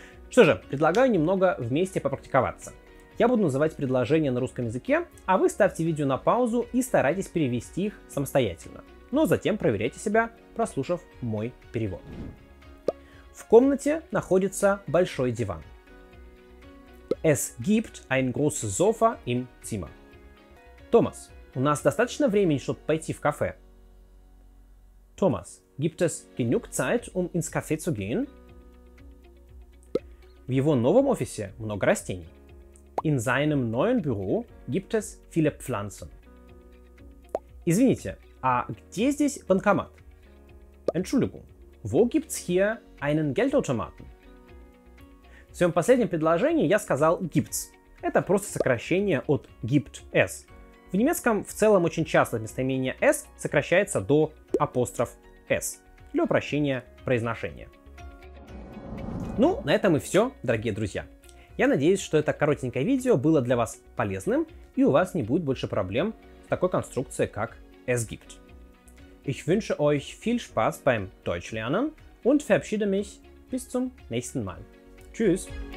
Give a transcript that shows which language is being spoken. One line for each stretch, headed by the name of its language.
Russian: Что же, предлагаю немного вместе попрактиковаться. Я буду называть предложения на русском языке, а вы ставьте видео на паузу и старайтесь перевести их самостоятельно. Но затем проверяйте себя, прослушав мой перевод. В комнате находится большой диван.
German: Es gibt ein großes Sofa im Zimmer.
Russian: Томас, у нас достаточно времени, чтобы пойти в кафе? Томас,
German: gibt es genug Zeit, um ins Café zu gehen?
Russian: В его новом офисе много растений.
German: In seinem neuen Büro gibt es viele Pflanzen.
Russian: Извините, а где здесь банкомат?
German: Entschuldigung, wo gibt's hier einen Geldautomaten?
Russian: В своем последнем предложении я сказал gibt's. Это просто сокращение от gibt es. В немецком в целом очень часто местоимение s сокращается до апостроф s для упрощения произношения. Ну, на этом и все, дорогие друзья. Я надеюсь, что это коротенькое видео было для вас полезным, и у вас не будет больше проблем с такой конструкцией, как es gibt.
German: Ich wünsche euch viel Spaß beim Deutschlernen und verabschiede mich bis zum nächsten Mal. Tschüss!